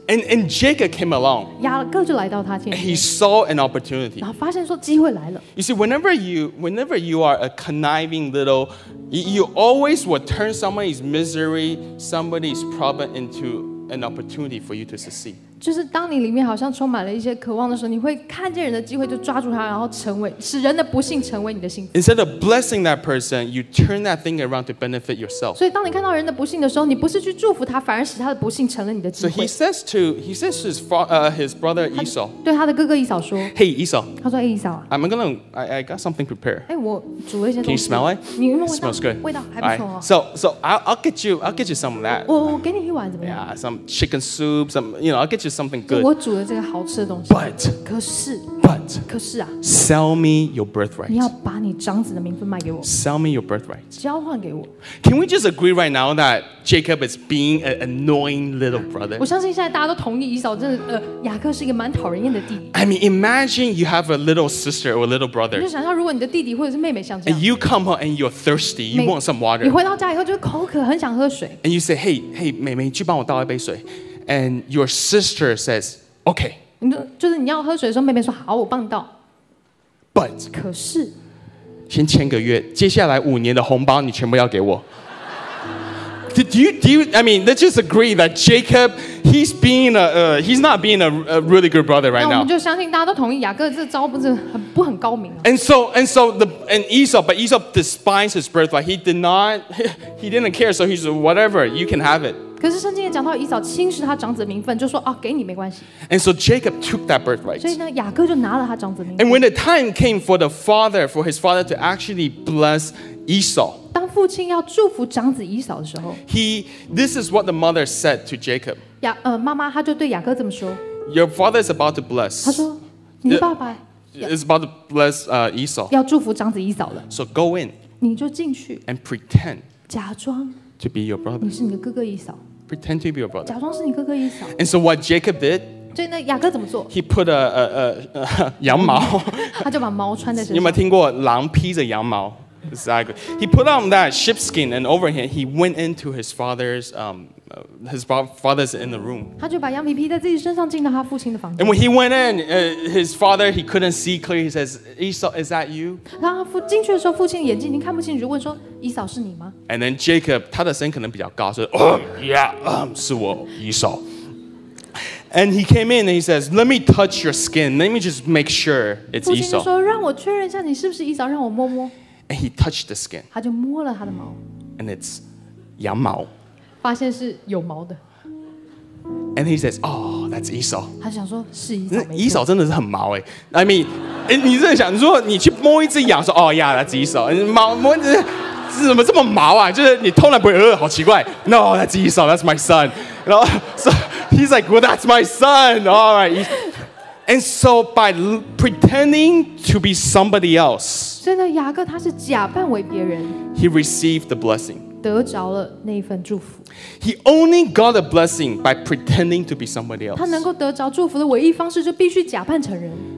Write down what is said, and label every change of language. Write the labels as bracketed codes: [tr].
[en] And Jacob came along, [zh] 雅各就来到他前面 [en] he saw an opportunity. [zh] 然后发现说机会来了 [en] You see, whenever you are a conniving little, you always will turn somebody's misery, somebody's problem into an opportunity for you to succeed. [zh] 就是当你里面好像充满了一些渴望的时候，你会看见人的机会就抓住他，然后成为使人的不幸成为你的幸福。 [en] Instead of blessing that person, you turn that thing around to benefit yourself. [zh] 所以当你看到人的不幸的时候，你不是去祝福他，反而使他的不幸成了你的机会。 [en] So he says to his father, his brother Esau. [zh] 对他的哥哥以扫说 [en] ，Hey Esau. [zh] 他说 [en] Hey Esau. I'm gonna I got something prepared. [zh] 哎，我煮了一些东西。 [en] Can you smell it? [zh] 你闻闻味道。 [en] Smells good. [zh] 味道还不错哦。 [en] So I'll get you some of that. [zh] 我给你一碗怎么样 [en] ？Yeah, some chicken soup. Some you know I'll get you. Something good. [zh] 我煮了这个好吃的东西。 [en] But, [zh] 可是, [en] but, [zh] 可是啊, [en] sell me your birthright. [zh] 你要把你长子的名分卖给我。 [en] Sell me your birthright. [zh] 交换给我。 [en] Can we just agree right now that Jacob is being an annoying little brother? [zh] 我相信现在大家都同意以扫真的雅各是一个蛮讨人厌的弟弟。 [en] I mean, imagine you have a little sister or a little brother. [zh] 你就想象如果你的弟弟或者是妹妹像这 [en] 样。And you come home and you're thirsty, you want some water. [zh] 你回到家以后就口渴，很想喝水。 [en] And you say, hey, [zh] 妹妹，去帮我倒一杯水。 [en] And your sister says, "Okay." [zh] 就是你要喝水的时候，妹妹说好，我帮你倒。 [en] But [zh] 可是，先签个约，接下来五年的红包你全部要给我。 [en] Do you? I mean, let's just agree that Jacob, he's not being a really good brother right now. [zh] 我们就相信大家都同意雅各这招不是很不很高明。 [en] And Esau, but Esau despised his birthright. He did not. He didn't care. So he said, "Whatever, you can have it." [zh] 可是圣经也讲到以扫轻视他长子的名分，就说啊，给你没关系。 [en] And so Jacob took that birthright. [zh] 所以呢，雅各就拿了他长子的名分。 [en] And when the time came for the father, for his father to actually bless Esau, [zh] 当父亲要祝福长子以扫的时候 [en] this is what the mother said to Jacob. [zh] 妈妈她就对雅各这么说。 [en] Your father is about to bless. [zh] 她说，你爸爸 [en] is about to bless Esau. [zh] 要祝福长子以扫了。 [en] So go in. [zh] 你就进去。 [en] And pretend. [zh] 假装。 [en] To be your brother. [zh] 你是你的哥哥以扫。 [en] Pretend to be your brother. [zh] 假装是你哥哥以扫。 [en] And so what Jacob did? [zh] 所以那雅各怎么做？ [en] He put a 羊毛。 [zh] 他就把毛穿在身上。你有没有听过狼披着羊毛？ [en] Exactly. He put on that sheepskin, and over him, he went into his father's in the room. [zh] 他就把羊皮披在自己身上，进到他父亲的房间。 [en] And when he went in, his father he couldn't see clearly. He says, "Esau, is that you?" [zh] 然后进去的时候，父亲眼睛已经看不清楚，问说。以扫是你吗？ [en] And then Jacob, [zh] 他的声音可能比较高，说 是我以扫。 [en] And he came in and he says, "Let me touch your skin. Let me just make sure it's Esau." [zh] 父亲就说：“让我确认一下你是不是以扫，让我摸摸。 [en] ”And he touched the skin. [zh] 他就摸了他的毛。 [en] And it's 羊毛。 [zh] 发现是有毛的。 [en] And he says, "Oh, that's Esau." [zh] 他想说，是以扫。以扫真的是很毛哎。 [en] I mean, [zh] 你真的想，如果你去摸一只羊，说 [en] "Oh, yeah, that's Esau." [zh] 毛摸着。怎么这么毛啊？就是你通常不会好奇怪。 [en] No, that's Esau, that's my son. You know? So he's like, well, that's my son. All right. And so by pretending to be somebody else, [zh] 所以呢，雅各他是假扮为别人。 [en] He received the blessing. [zh] 得着了那一份祝福。 [en] He only got a blessing by pretending to be somebody else. [zh] 他能够得着祝福的唯一方式就必须假扮成人。